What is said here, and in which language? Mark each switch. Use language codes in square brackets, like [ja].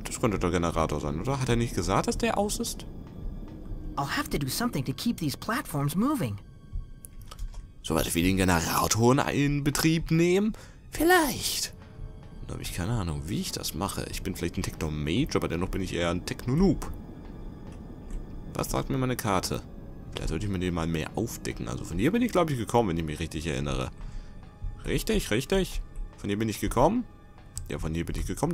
[de] Das könnte der Generator sein, oder? Hat er nicht gesagt, dass der aus ist? [en] I'll have to do something to keep these platforms moving. [de] Sollte ich den Generator in Betrieb nehmen? Vielleicht. Da habe ich keine Ahnung, wie ich das mache. Ich bin vielleicht ein Technomage, aber dennoch bin ich eher ein Technonoob. Was sagt mir meine Karte? Da sollte ich mir den mal mehr aufdecken. Also von hier bin ich, glaube ich, gekommen, wenn ich mich richtig erinnere. Richtig, richtig. Von hier bin ich gekommen. Ja, von hier bin ich gekommen.